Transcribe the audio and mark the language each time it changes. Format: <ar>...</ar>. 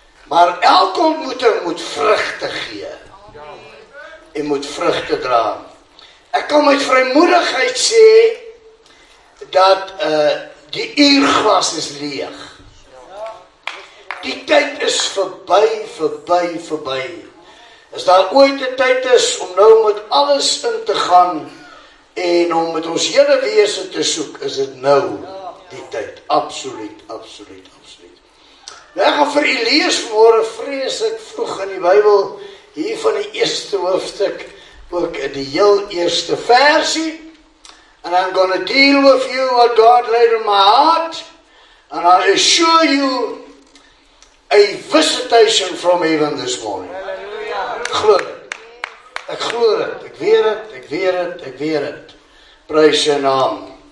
<af>Maar elke ontmoeting moet vrugte gee en moet vrugte dra. Ek kan met vrymoedigheid sê dat die uurglas is leeg. Die tyd is verby. As daar ooit die tyd is om nou met alles in te gaan en om met ons hele wese te soek, is dit nou die tyd. Absoluut. Nou, ek gaan vir u lees vanmorgen vreeslik vroeg in die Bybel, hier van die eerste hoofstuk, ook in die heel eerste versie.</af> <en>And I'm going to deal with you what God laid in my heart. And I assure you a visitation from heaven this morning.</en> <af>Hallelujah. Ek glo dit. Ek weet het. Prys sy naam.</af>